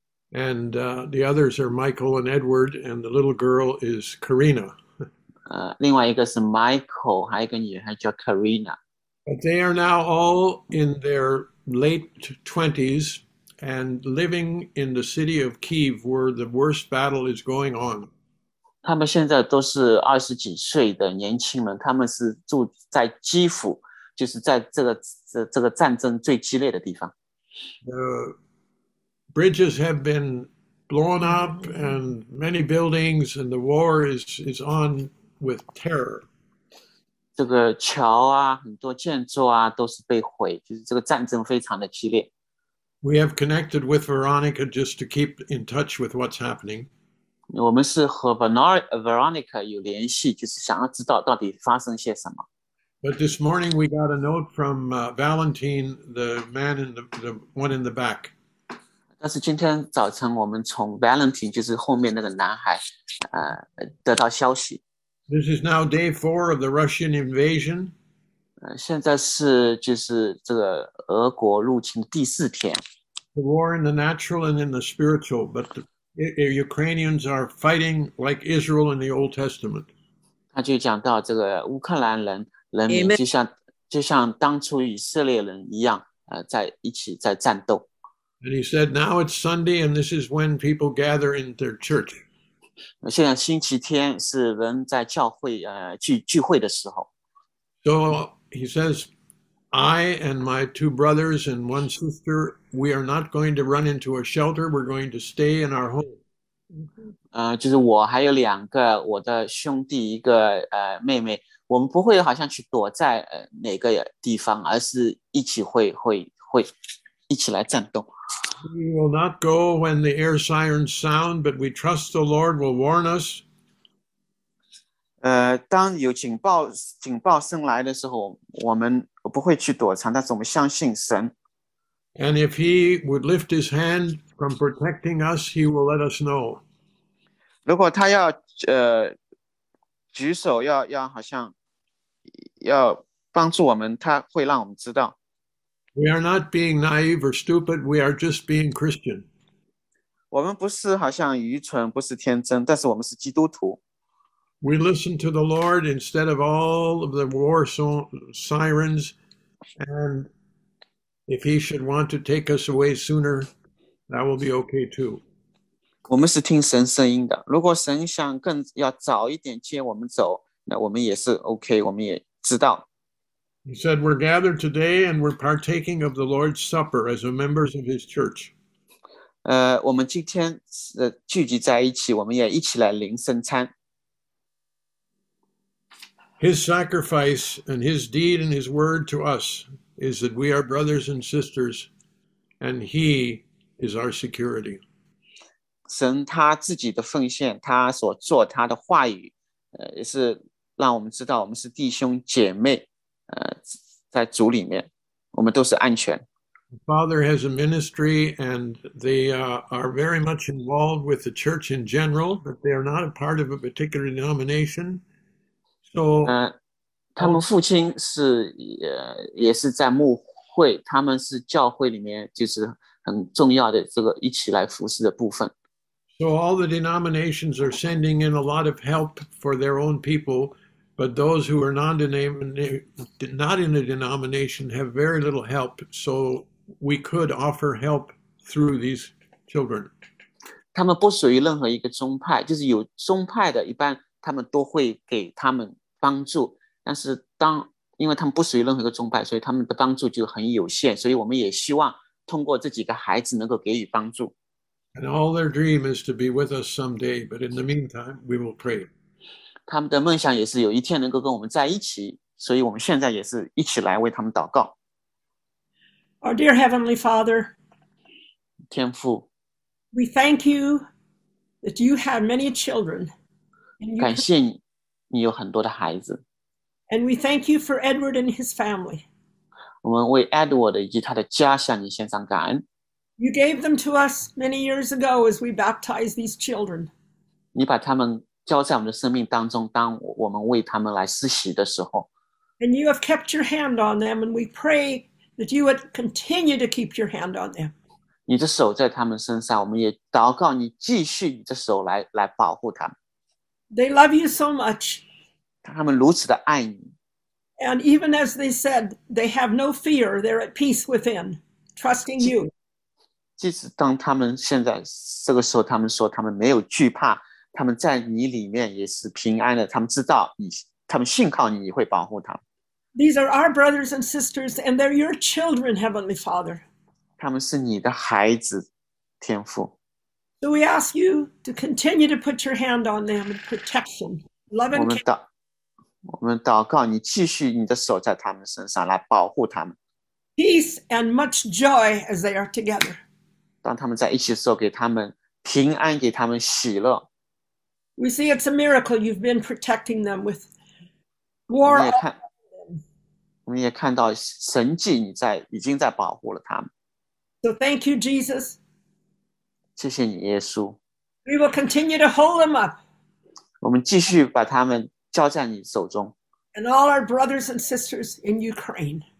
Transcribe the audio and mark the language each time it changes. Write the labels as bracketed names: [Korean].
[English] And the others are Michael and Edward, and the little girl is Karina. [Chinese] 另外一个是 Michael， 还有一个女孩叫 Karina。 [English] But they are now all in their late 20s and living in the city of Kyiv, where the worst battle is going on. [Chinese] 他们现在都是二十几岁的年轻人，他们是住在基辅，就是在这个战争最激烈的地方。 [English] The bridges have been blown up and many buildings, and the war is on with terror. [Chinese] 这个桥啊，很多建筑啊，都是被毁，就是这个战争非常的激烈。 [English] We have connected with Veronica just to keep in touch with what's happening. [Chinese] 我们是和 Veronica 有联系，就是想要知道到底发生些什么。 [English] But this morning we got a note from Valentine, the man in the one in the back. [Chinese] 但是今天早晨我们从 Valentine, 就是后面那个男孩，得到消息。 [English] This is now day 4 of the Russian invasion. [Chinese] 现在是就是这个俄国入侵的第四天。 [English] The war in the natural and in the spiritual, but the Ukrainians are fighting like Israel in the Old Testament. [Chinese] 他就讲到这个乌克兰人民就像当初以色列人一样，在一起在战斗。 [English] And he said, now it's Sunday and this is when people gather in their church. [Chinese] 现在星期天是人在教会聚会的时候。 [English] So he says, I and my two brothers and one sister, we are not going to run into a shelter. We're going to stay in our home. [Chinese] 就是我还有两个我的兄弟一个妹妹，我们不会好像去躲在哪个地方，而是一起会一起来战斗。 [English] We will not go when the air sirens sound, but we trust the Lord will warn us. [Chinese] 当有警报声来的时候，我们不会去躲藏，但是我们相信神。 [English] And if he would lift his hand from protecting us, he will let us know. [Chinese] 如果他要举手要好像要帮助我们，他会让我们知道。 [English] We are not being naive or stupid, we are just being Christian. [Chinese] 我们不是好像愚蠢，不是天真，但是我们是基督徒。 [English] We listen to the Lord instead of all of the war sirens, and if he should want to take us away sooner, that will be okay too. [Chinese] 我们是听神声音的，如果神想更要早一点接我们走，那我们也是 okay, 我们也知道。 [English] He said, we're gathered today and we're partaking of the Lord's Supper as a members of his church. [Chinese] 我们今天聚集在一起，我们也一起来领圣餐。 [English] His sacrifice and his deed and his word to us is that we are brothers and sisters and he is our security. [Chinese] 神他自己的奉献，他所做他的话语，也是让我们知道我们是弟兄姐妹。在主里面，我们都是安全。 [English] Father has a ministry, and they are very much involved with the church in general, but they are not a part of a particular denomination. So, [Chinese] 他们父亲是也是在牧会，他们是教会里面就是很重要的这个一起来服侍的部分。 [English] So all the denominations are sending in a lot of help for their own people. But those who are not in a denomination have very little help, so we could offer help through these children. [Chinese] 他们不属于任何一个宗派，就是有宗派的，一般他们都会给他们帮助。但是当，因为他们不属于任何一个宗派，所以他们的帮助就很有限，所以我们也希望通过这几个孩子能够给予帮助。 [English] And all their dream is to be with us someday, but in the meantime, we will pray. [Chinese] 他们的梦想也是有一天能够跟我们在一起，所以我们现在也是一起来为他们祷告。 [English] Our dear Heavenly Father, [Chinese] 天父 [English] we thank you that you have many children. [Chinese] 感谢你，你有很多的孩子。 [English] And we thank you for Edward and his family. [Chinese] 我们为 Edward 以及他的家向你献上感恩。 [English] You gave them to us many years ago as we baptized these children. [Chinese] 你把他们交在我们的生命当中，当我们为他们来施洗的时候。 [English] And you have kept your hand on them, and we pray that you would continue to keep your hand on them. [Chinese] 你的手在他们身上，我们也祷告你继续你的手来保护他们。 [English] They love you so much. [Chinese] 他们如此的爱你。 [English] And even as they said, they have no fear, they're at peace within, trusting you. [Chinese] 即使当他们现在这个时候，他们说他们没有惧怕，他们在你里面也是平安的，他们知道你，他们信靠你，你会保护他们。 [English] These are our brothers and sisters, and they're your children, Heavenly Father. [Chinese] 他们是你的孩子，天父。 [English] So we ask you to continue to put your hand on them and protect them, love and care. [Chinese] 我们祷告你继续你的手在他们身上来保护他们。 [English] Peace and much joy as they are together. [Chinese] 当他们在一起的时候，给他们平安，给他们喜乐。 [English] We see it's a miracle you've been protecting them with war. [Chinese] 我们也看到神迹，你在已经在保护了他们。 [English] So thank you, Jesus. [Chinese] 谢谢你，耶稣。 [English] We will continue to hold them up. [Chinese] 我们继续把他们交在你手中。 [English] And all our brothers and sisters in Ukraine.